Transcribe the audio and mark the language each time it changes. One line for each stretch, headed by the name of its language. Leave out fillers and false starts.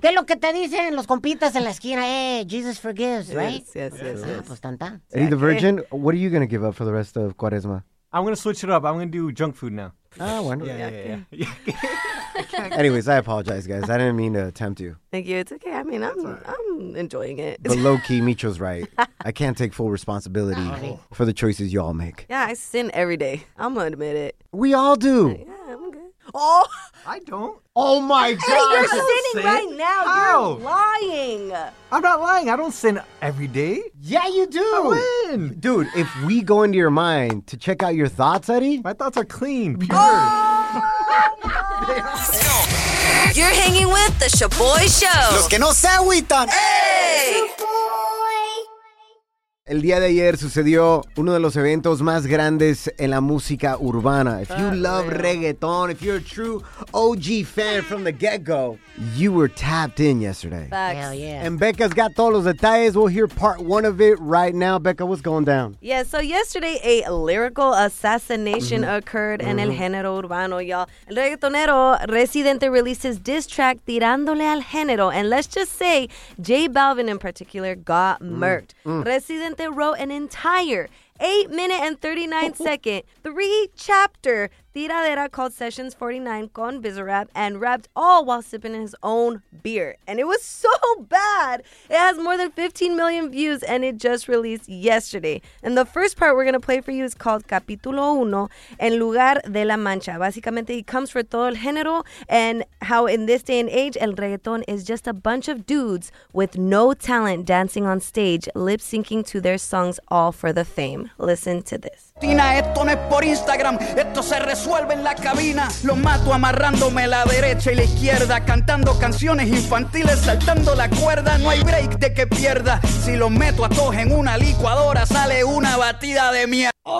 Spanish: ¿Qué es lo que te dicen los compitas en la esquina?
English: Hey, Jesus forgives, right? Yes.
Spanish: Pues tanta.
English: Eddie the Virgin, what are you going to give up for the rest of Cuaresma? I'm going to switch it up. I'm going to do junk food now. Oh, wonderful. Yeah. Anyways, I apologize, guys. I didn't mean to tempt you. Thank you. It's okay. I mean, I'm enjoying it. But low-key, Micho's right. I can't take full responsibility for the choices you all make. Yeah, I sin every day. I'm going to admit it. We all do. Yeah, I'm good. Oh! I don't. Oh, my God. Hey, you're sinning right now. How? You're lying. I'm not lying. I don't sin every day. Yeah, you do. I win. Dude, if we go into your mind to check out your thoughts, Eddie. My thoughts are clean. Pure. Oh, no. You're hanging with the Shaboy Show.
Spanish: Los que no se agüitan.
English: Hey.
Spanish: El día de ayer sucedió uno de los eventos más grandes en la música urbana.
English: If you love reggaeton, if you're a true OG fan from the get-go, you were tapped in yesterday. Facts. Hell yeah. And Becca's got
Spanish: todos los detalles.
English: We'll hear part one of it right now. Becca, what's going down? Yeah, so yesterday a lyrical assassination occurred in
Spanish: el género urbano,
English: y'all. El reggaetonero Residente released his diss track Tirándole al Género, and let's just say J Balvin in particular got murked. Residente wrote an entire 8-minute and 39-second, 3-chapter Tiradera called Sessions 49 con Bizarrap and rapped all while sipping his own beer. And it was so bad. It has more than 15 million views and it just released yesterday. And the first part we're going to play for you is called Capítulo Uno, En Lugar de la Mancha. Básicamente, it comes for
Spanish: todo el género
English: and how in this day and age, el reggaeton is just a bunch of dudes with no talent dancing on stage, lip syncing to their songs all for the fame. Listen to this.
Spanish: Esto no es por Instagram, esto se resuelve en la cabina. Lo mato amarrándome la derecha y la izquierda, cantando canciones infantiles, saltando la cuerda. No hay break de que pierda. Si lo meto a todos en una licuadora, sale una batida de mierda.